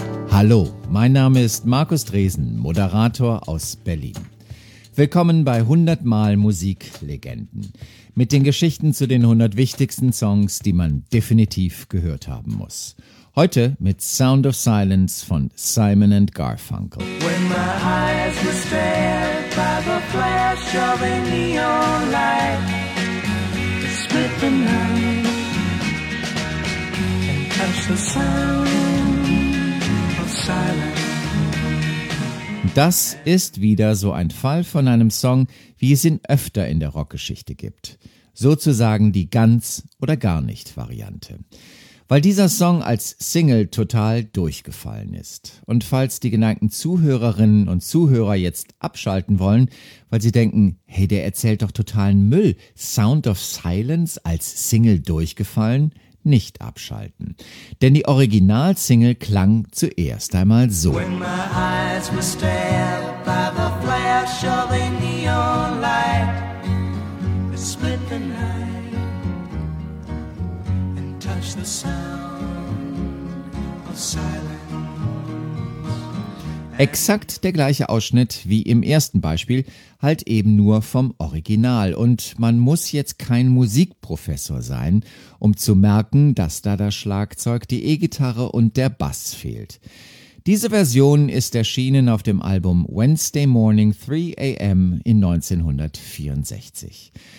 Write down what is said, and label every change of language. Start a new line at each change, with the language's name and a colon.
German: Hallo, mein Name ist Markus Dresen, Moderator aus Berlin. Willkommen bei 100 Mal Musiklegenden. Mit den Geschichten zu den 100 wichtigsten Songs, die man definitiv gehört haben muss. Heute mit Sound of Silence von Simon & Garfunkel.
English: When my eyes were stared by the flash of a neon light, split the night and touch the sound of silence.
German: Das ist wieder so ein Fall von einem Song, wie es ihn öfter in der Rockgeschichte gibt. Sozusagen die Ganz- oder Gar-Nicht-Variante. Weil dieser Song als Single total durchgefallen ist. Und falls die geneigten Zuhörerinnen und Zuhörer jetzt abschalten wollen, weil sie denken, hey, der erzählt doch totalen Müll, Sound of Silence als Single durchgefallen, nicht abschalten. Denn die Originalsingle klang zuerst einmal so.
English: When my eyes were stared by the flash of a neon light, it split the night and touched the sound of silence.
German: Exakt der gleiche Ausschnitt wie im ersten Beispiel, halt eben nur vom Original. Und man muss jetzt kein Musikprofessor sein, um zu merken, dass da das Schlagzeug, die E-Gitarre und der Bass fehlt. Diese Version ist erschienen auf dem Album Wednesday Morning 3 AM in 1964.